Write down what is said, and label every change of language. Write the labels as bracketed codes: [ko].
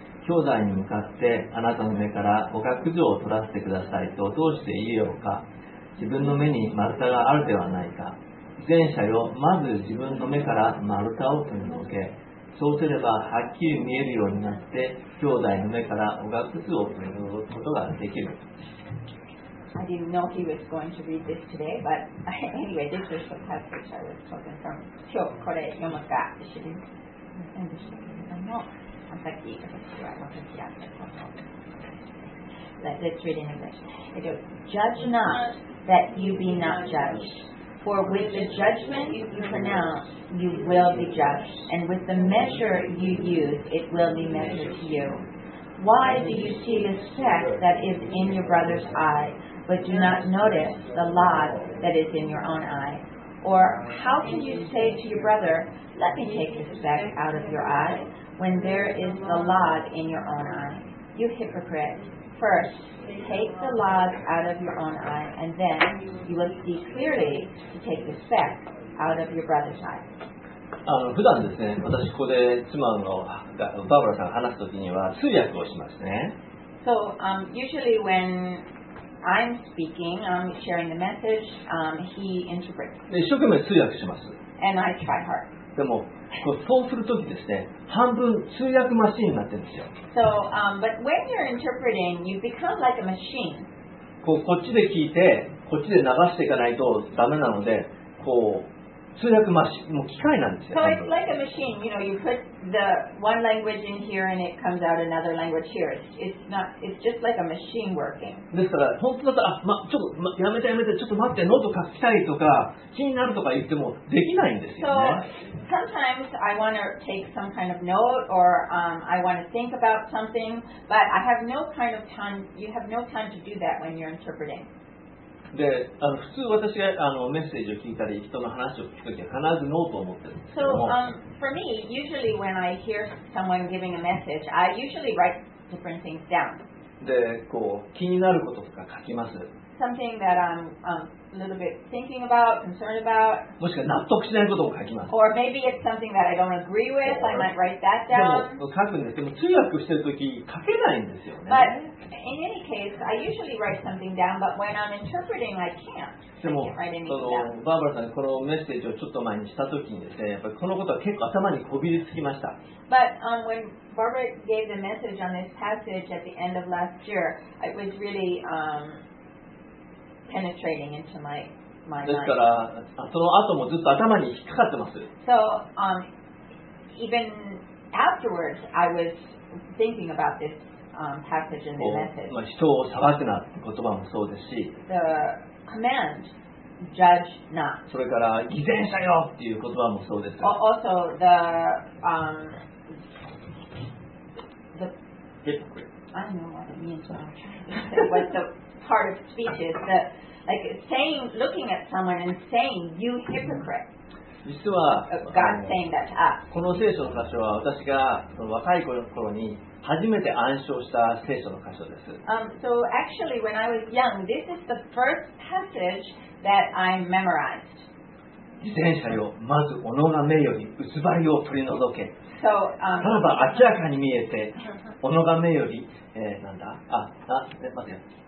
[ja] 兄弟に向かってあなたの目からお学上を取らせてくださいとどうして言えようか。自分の目に丸太があるではないか。前者よ、まず自分の目から丸太を取り除け。そうすればはっきり見えるようになって兄弟の目からおがくずを取り除くことができる。 [en] I didn't know he was going to read this today, but anyway, this is the passage I was talking from. [ja] 今日これ読むか知りませんでしたけれども、さっき私は分かり合ったこと。 [en] Let's read in English. Judge not that you be not judged. For with the judgment you pronounce, you will be judged, and with the measure you use, it will be measured to you. Why do you see the speck that is in your brother's eye, but do not notice the log that is in your own eye? Or how can you say to your brother, Let me take the speck out of your eye, when there is the log in your own eye? You hypocrite, first,Take the log out of your own eye, and then you will see clearly to take the speck out of your brother's eye. [ja] 普段ですね、私ここで妻のバーバラさんが話すときには通訳をしますね。 [en] So, usually when I'm speaking, I'm sharing the message, he interprets. [ja] 一生懸命通訳します。 [en] And I try hard. [ja] でもこうそうするときですね、半分通訳マシーンになってるんですよ。 [en] So, but when you're interpreting, you become like a machine. [ja] こっちで聞いて、こっちで流していかないとダメなので、こう通訳マシーン、もう機械なんですよ。 [en] So it's like a machine. You know, you put the one language in here and it comes out another language here. It's just like a machine working. [ja] ですから本当だったら、ちょっと、やめてやめて、ちょっと待って、喉かきたいとか、気になるとか言ってもできないんですよね。 [en] So sometimes I want to take some kind of note or I want to think about something, but I have no kind of time, you have no time to do that when you're interpreting. [ja] で普通私がメッセージを聞いたり人の話を聞くときは必ずノートを持ってるんですけども [en] So, for me, usually when I hear someone giving a message, I usually write different things down. [ja] で、こう気になることとか書きます。 [en] Something that I'm a little bit thinking about, concerned about. [ja] もしくは納得しないことも書きます。 [en] Or maybe it's something that I don't agree with, I might write that down. [ja] でも書くんですけども通訳してるとき書けないんですよね。 [en] But,In any case, I usually write something down, but when I'm interpreting, I can't. I can't write anything down. [ja] バーバラさんこのメッセージをちょっと前にしたときにですね、やっぱりこのことは結構頭にこびりつきました。 [en] But when Barbara gave the message on this passage at the end of last year, it was really penetrating into my mind. [ja] ですから、その後もずっと頭に引っかかってます。 [en] So even afterwards, I was thinking about this. [ja] 人を裁くなって言葉もそうですし [en] the command, judge not. [ja] それから偽善者よっていう言葉もそうです [en] also the, the hypocrite. I don't know what it means when I'm trying to say what the part of speech is the, like saying, looking at someone and saying you hypocrite [ja] 実は [en] God saying that to us. [ja] この聖書の箇所は私が若い頃に初めて暗唱した聖書の箇所です。 [en] So actually, when I was young, this is the first passage that I memorized. [ja] 偽善者よ、まず己が目より偽りを取り除け。 [en] So, [ja] さらば明らかに見えて、己が目より、なんだ、あ、待てよ。